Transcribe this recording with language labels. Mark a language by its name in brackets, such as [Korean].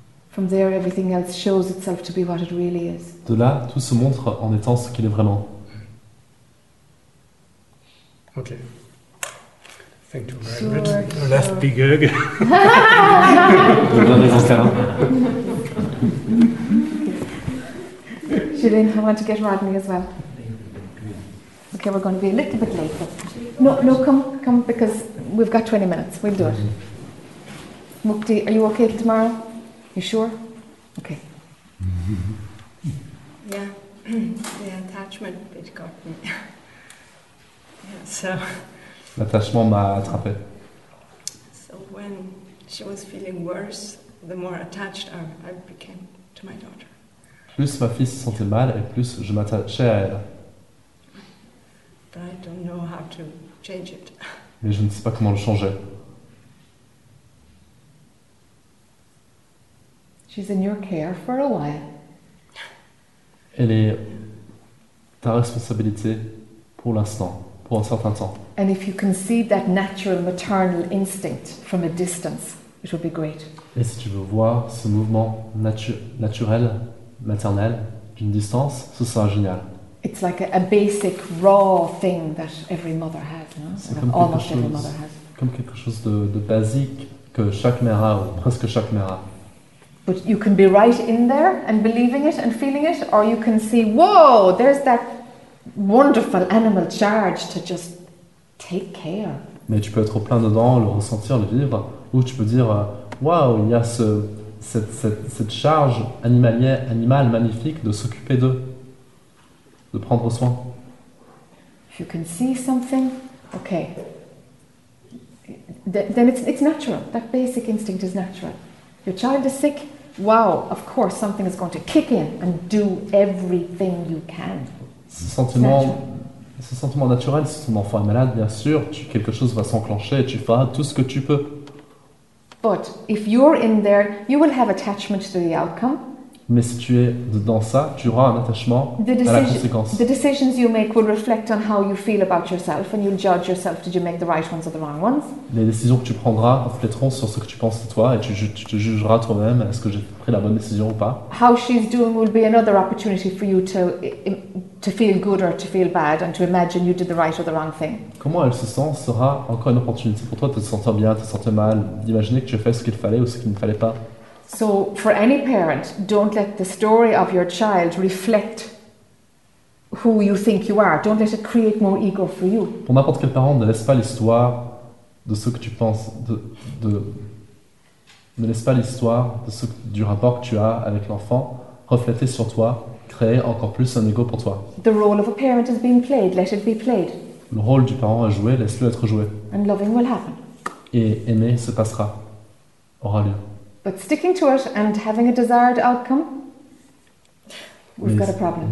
[English] From there, everything else shows itself to be what it really is. [French] De là, tout se montre en étant ce qu'il est vraiment. [English] Okay. Thank you very much. The last big hug. [French] De bien des encarts. [English] Julien, I want to get Rodney as well. Okay, we're going to be a little bit late. But no, come, because we've got 20 minutes. We'll do it. Mukti, are you okay till tomorrow? You sure? Okay. Yeah, the attachment bit got me. Yeah, so. [French] L'attachement m'a attrapé. [English] So when she was feeling worse, the more attached I became to my daughter. [French] Plus ma fille se sentait mal, et plus je m'attachais à elle. [English] But I don't know how to change it. [French] Mais je ne sais pas comment le changer. [English] She's in your care for a while. [French] Elle est ta responsabilité pour l'instant, pour un certain temps. [English] And if you can see that natural maternal instinct from a distance, it would be great. [French] Et si tu veux voir ce mouvement naturel, maternel, d'une distance, ce sera génial. [English] It's like a basic, raw thing that every mother has, no? [French] C'est comme quelque chose, [English] every mother has. [French] Comme quelque chose de basique que chaque mère a, ou presque chaque mère a. [English] But you can be right in there and believing it and feeling it, or you can see, whoa, there's that wonderful animal charge to just take care. [French] Mais tu peux être plein dedans, le ressentir, le vivre, ou tu peux dire, waouh, il y a cette charge animale magnifique de s'occuper d'eux, de prendre soin. [English] If you can see something, okay. Then it's natural. That basic instinct is natural. Your child is sick. Wow, of course, something is going to kick in and do everything you can. [French] Ce sentiment naturel, si ton enfant est malade, bien sûr, quelque chose va s'enclencher et tu feras tout ce que tu peux. [English] But if you're in there, you will have attachment to the outcome. [French] Mais si tu es dedans ça, tu auras un attachement à la conséquence. [English] The decisions you make will reflect on how you feel about yourself, and you'll judge yourself: did you make the right ones or the wrong ones? [French] Les décisions que tu prendras refléteront sur ce que tu penses de toi, et tu te jugeras toi-même: est-ce que j'ai pris la bonne décision ou pas? [English] How she's doing will be another opportunity for you to feel good or to feel bad, and to imagine you did the right or the wrong thing. [French] Comment elle se sent sera encore une opportunité pour toi de te sentir bien, de te sentir mal, d'imaginer que tu as fait ce qu'il fallait ou ce qu'il ne fallait pas. [English] So, for any parent, don't let the story of your child reflect who you think you are. Don't let it create more ego for you. [French] Pour n'importe quel parent, ne laisse pas l'histoire de ce que tu penses, ne laisse pas l'histoire de ce du rapport que tu as avec l'enfant refléter sur toi, créer encore plus un ego pour toi. [English] The role of a parent has been played. Let it be played. [French] Le rôle du parent a joué. Laisse-le être joué. [English] And loving will happen. [French] Et aimer se passera, aura lieu. [English] But sticking to it and having a desired outcome, got a problem.